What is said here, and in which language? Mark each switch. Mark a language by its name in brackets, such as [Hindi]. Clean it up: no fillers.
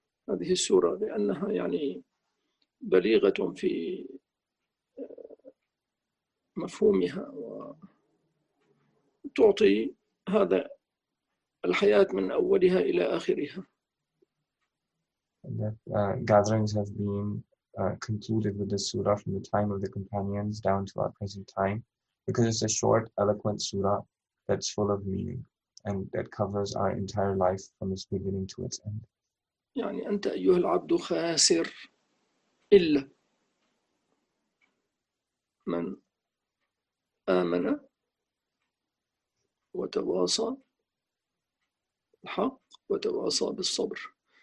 [Arabic] هذه السورة لأنها يعني بليغة في مفهومها وتعطي هذا الحياة من أولها إلى آخرها. [English] And that gatherings have been concluded with this surah from the time of the companions down to our present time, because it's a short, eloquent surah that's full of meaning and that covers our entire life from its beginning to its end. [Arabic] يعني أنت أيها العبد خاسر إلا من آمن وتواصى الحق وتواصى بالصبر.